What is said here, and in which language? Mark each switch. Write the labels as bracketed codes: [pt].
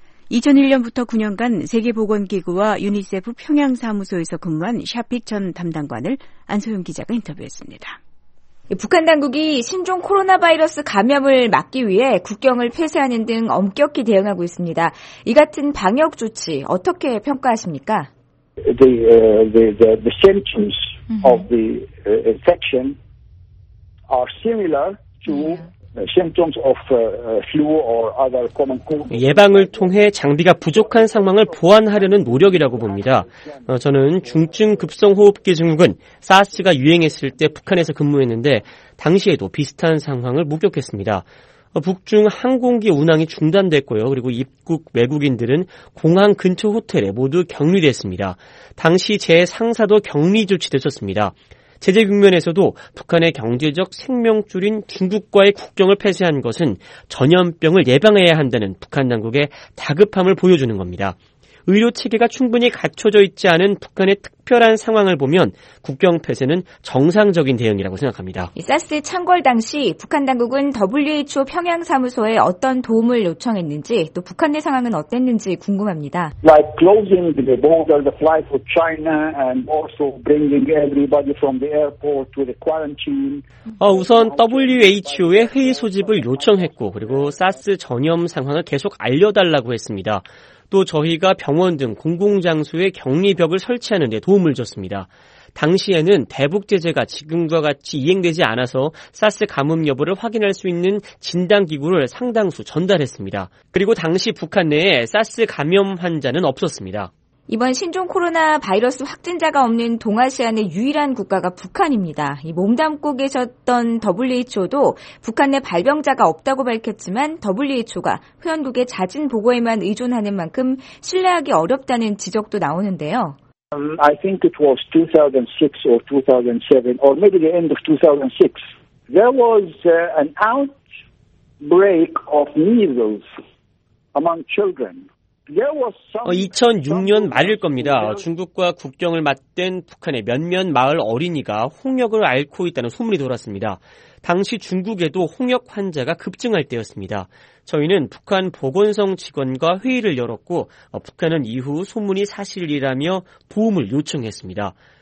[ko] 2001년부터 9년간 세계보건기구와 유니세프 평양사무소에서 근무한 샤픽 전 담당관을 안소영 기자가 인터뷰했습니다. 북한 당국이 신종 코로나 바이러스 감염을 막기 위해 국경을 폐쇄하는 등 엄격히 대응하고 있습니다. 이 같은 방역 조치 어떻게 평가하십니까? [en] The symptoms of the infection are similar to symptoms of flu or other common cold. [ko] 예방을 통해 장비가 부족한 상황을 보완하려는 노력이라고 봅니다. 저는 중증 급성 호흡기 증후군 사스가 유행했을 때 북한에서 근무했는데 당시에도 비슷한 상황을 목격했습니다. 북중 항공기 운항이 중단됐고요. 그리고 입국 외국인들은 공항 근처 호텔에 모두 격리됐습니다. 당시 제 상사도 격리 조치됐었습니다. 제재 국면에서도 북한의 경제적 생명줄인 중국과의 국경을 폐쇄한 것은 전염병을 예방해야 한다는 북한 당국의 다급함을 보여주는 겁니다. 의료체계가 충분히 갖춰져 있지 않은 북한의 특별한 상황을 보면 국경 폐쇄는 정상적인 대응이라고 생각합니다. 사스 창궐 당시 북한 당국은 WHO 평양사무소에 어떤 도움을 요청했는지 또 북한 내 상황은 어땠는지 궁금합니다. [en] Like closing the border, the flight to China and also bringing everybody from the airport to the quarantine. [ko] 우선 WHO의 회의 소집을 요청했고 그리고 사스 전염 상황을 계속 알려달라고 했습니다. 또 저희가 병원 등 공공장소에 격리벽을 설치하는 데 도움을 줬습니다. 당시에는 대북제재가 지금과 같이 이행되지 않아서 사스 감염 여부를 확인할 수 있는 진단기구를 상당수 전달했습니다. 그리고 당시 북한 내에 사스 감염 환자는 없었습니다. 이번 신종 코로나 바이러스 확진자가 없는 동아시아 내 유일한 국가가 북한입니다. 이 몸담고 계셨던 WHO도 북한 내 발병자가 없다고 밝혔지만 WHO가 회원국의 자진 보고에만 의존하는 만큼 신뢰하기 어렵다는 지적도 나오는데요. [en] I think it was 2006 or 2007 or maybe the end of 2006. There was an outbreak of measles among children. [ko] 2006년 말일 겁니다. 중국과 국경을 맞댄 북한의 몇몇 마을 어린이가 홍역을 앓고 있다는 소문이 돌았습니다. 당시 중국에도 홍역 환자가 급증할 때였습니다. 저희는 북한 보건성 직원과 회의를 열었고 북한은 이후 소문이 사실이라며 도움을 요청했습니다.